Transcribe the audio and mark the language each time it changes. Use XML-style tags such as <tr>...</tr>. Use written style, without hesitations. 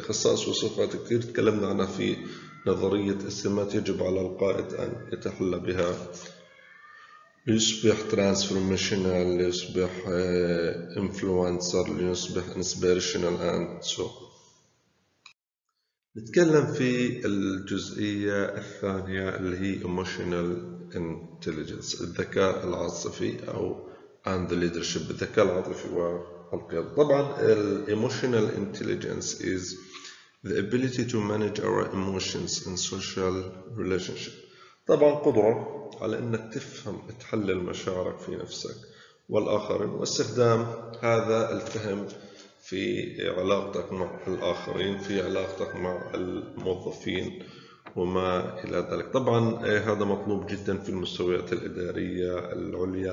<ar>خصائص وصفات كثير تكلمنا عنها في نظرية السمات يجب على القائد أن يتحلى بها ليصبح Transformational، ليصبح Influencer، ليصبح</ar> <en>Inspirational and so.</en> <ar>نتكلم في الجزئية الثانية اللي هي Emotional Intelligence، الذكاء العاطفي أو</ar> <en>and the leadership،</en> <ar>الذكاء العاطفي والقيادة. طبعا الـ</ar> <en>Emotional Intelligence is the ability to manage our emotions in social relationship.</en> <ar>طبعا قدرة على أنك تفهم، تحلل مشاعرك في نفسك والآخرين، واستخدام هذا الفهم في علاقتك مع الآخرين، في علاقتك مع الموظفين وما إلى ذلك. طبعا هذا مطلوب جدا في المستويات الإدارية العليا.</ar>